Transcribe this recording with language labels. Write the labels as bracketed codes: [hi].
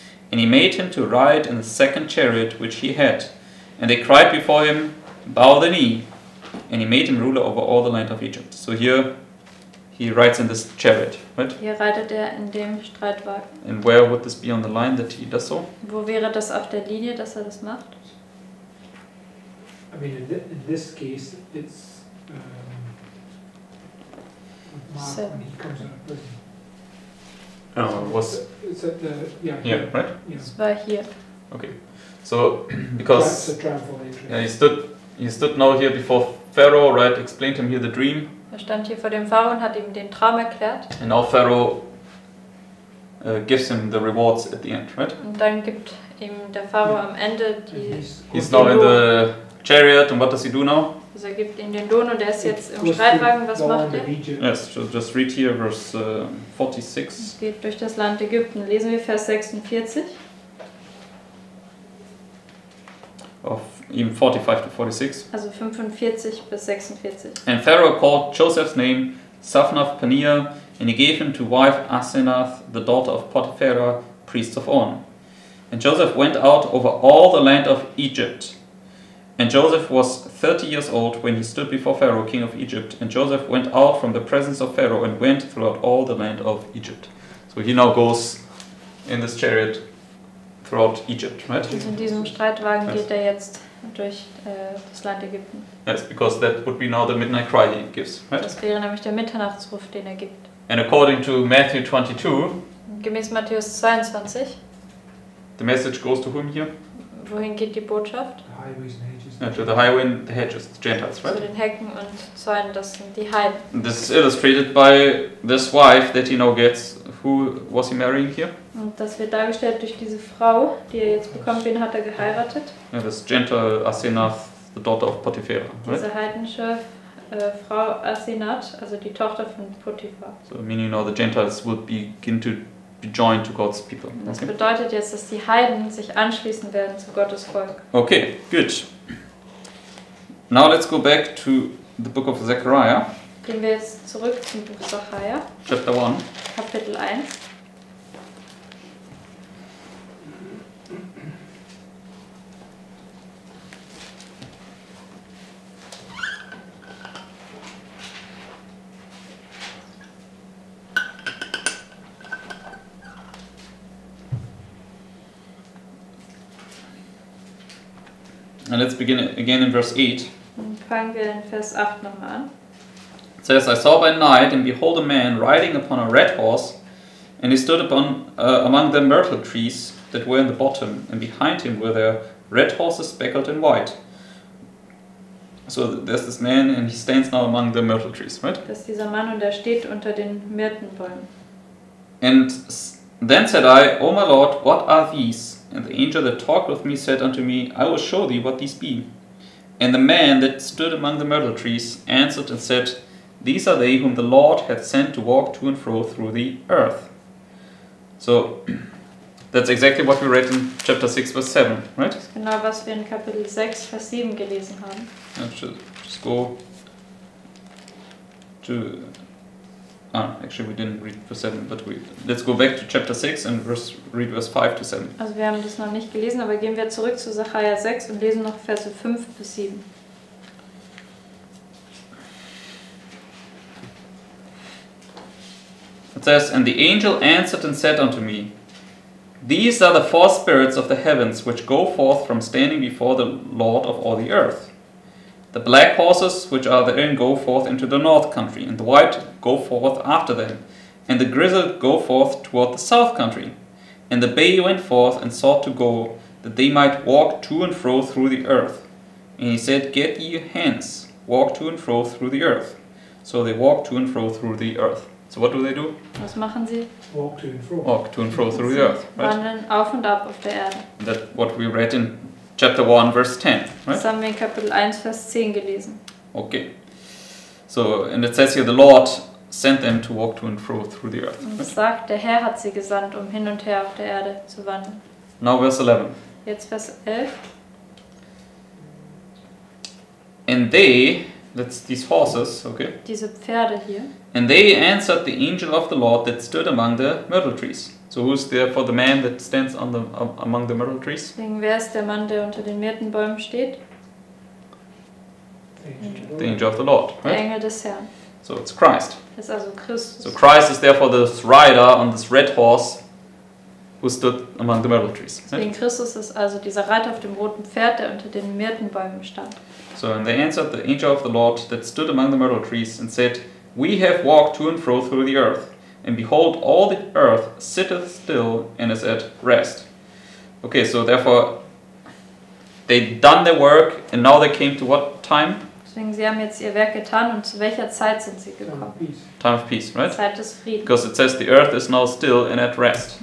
[en] And he made him to ride in the second chariot which he had. And they cried before him, bow the knee. And he made him ruler over all the land of Egypt. So here he rides in this chariot, right? [de] Hier reitet in dem Streitwagen. [en] And where would this be on the line that he does so? [de] Wo wäre das auf der Linie, dass das macht? [en] I mean, in this case, it's Mark when he comes out of prison. [de] Oh, was? [en] It's at the here, right? Yeah. [de] Es war hier. [en] Okay, so because that's a triumphal entry. Yeah, he stood now here before Pharaoh, right? Explained him here the dream. [de] Er stand hier vor dem Pharao und hat ihm den Traum erklärt. [en] And now Pharaoh gives him the rewards at the end, right? [de] Und dann gibt ihm der Pharao am Ende die. [en] He's now in the chariot, and what does he do now? [de] Also er gibt ihm den Lohn, und er ist jetzt im Streitwagen. Was macht er? [en] Yes, so just read here verse 46. [de] Geht durch das Land Ägypten. Lesen wir Vers 46. [en] Of even 45 to 46. [de] Also 45 bis 46. [en] And Pharaoh called Joseph's name Zaphnath-Paneah, and he gave him to wife Asenath, the daughter of Potipharah, priest of On. And Joseph went out over all the land of Egypt. And Joseph was 30 years old when he stood before Pharaoh, king of Egypt. And Joseph went out from the presence of Pharaoh and went throughout all the land of Egypt. So he now goes in this chariot throughout Egypt, right? [de] Also in diesem Streitwagen geht er jetzt durch das Land Ägypten. [en] Yes, because that would be now the midnight cry he gives, right? [de] Das wäre nämlich der Mitternachtsruf, den er gibt. [en] And according to Matthew 22, [de] gemäß Matthäus 22, [en] the message goes to whom here? [de] Wohin geht die Botschaft? [en] To the highway and the hedges, the Gentiles, right? [de] Zu den Hecken und Zäunen, das sind die Heiden. [en] This is illustrated by this wife that he now gets. Who was he marrying here? [de] Und das wird dargestellt durch diese Frau, die er jetzt bekommt. Wen hat er geheiratet? [en] Yeah, this Gentile Asenath, the daughter of Potiphar, right? [de] Diese heidnische Frau Asenath, also die Tochter von Potiphar. [en] So meaning now the Gentiles will begin to be joined to God's people. [de] Das bedeutet jetzt, dass die Heiden sich anschließen werden zu Gottes Volk. [en] Okay, good. Now let's go back to the book of Zechariah. [de] Gehen wir jetzt zurück zum Buch Zechariah. [en] Chapter 1. [de] Kapitel 1. [en] And let's begin again in verse 8. [de] Fangen wir in Vers 8 nochmal an. [en] It says, I saw by night, and behold a man riding upon a red horse, and he stood upon among the myrtle trees that were in the bottom, and behind him were their red horses speckled in white. So there's this man, and he stands now among the myrtle trees, right? [de] Das ist dieser Mann, und er steht unter den Myrtenbäumen. [en] And then said I, O my Lord, what are these? And the angel that talked with me said unto me, I will show thee what these be. And the man that stood among the myrtle trees answered and said, These are they whom the Lord hath sent to walk to and fro through the earth. So, that's exactly what we read in chapter 6, verse 7, right? [de] Das ist genau, was wir in Kapitel 6, Vers 7 gelesen haben. [en] Let's just go to... actually we didn't read verse 7, but let's go back to chapter 6 and read verse 5 to 7. [de] Also wir haben das noch nicht gelesen, aber gehen wir zurück zu Zechariah 6 und lesen noch Verse 5 bis 7. [en] It says, And the angel answered and said unto me, These are the four spirits of the heavens which go forth from standing before the Lord of all the earth. The black horses which are therein go forth into the north country, and the white go forth after them, and the grizzled go forth toward the south country. And the bay went forth and sought to go, that they might walk to and fro through the earth. And he said, Get ye hence, walk to and fro through the earth. So they walk to and fro through the earth. So what do they do? [de] Was machen sie? [en] Walk to and fro. Walk to and fro through the earth. Right? [de] Wandeln auf und ab auf der Erde. [en] That's what we read in Chapter 1, verse 10, right? [de] Das haben wir in Kapitel 1, Vers 10 gelesen. [en] Okay. So, and it says here, the Lord sent them to walk to and fro through the earth. [de] Und es sagt, der Herr hat sie gesandt, um hin und her auf der Erde zu wandeln. [en] Now verse 11. [de] Jetzt Vers 11. [en] And they, that's these horses, okay. [de] Diese Pferde hier. [en] And they answered the angel of the Lord that stood among the myrtle trees. So who's there for the man that stands on the among the myrtle trees? [de] Deswegen, wer ist der Mann, der unter den Myrtenbäumen steht? [en] The angel of the Lord, right? [de] Der Engel des Herrn. [en] So it's Christ. [de] Das ist also Christus. [en] So Christ is therefore this rider on this red horse who stood among the myrtle trees. [de] Deswegen, [en] right? [de] Christus ist also dieser Reiter auf dem roten Pferd, der unter den Myrtenbäumen stand. [en] So and they answered the angel of the Lord that stood among the myrtle trees and said, We have walked to and fro through the earth. And behold, all the earth sitteth still and is at rest. Okay, so therefore, they done their work, and now they came to what time? [de] Deswegen, sie haben jetzt ihr Werk getan, und zu welcher Zeit sind sie gekommen? [en] Time of peace, right? [de] Zeit des Friedens. [en] Because it says the earth is now still and at rest.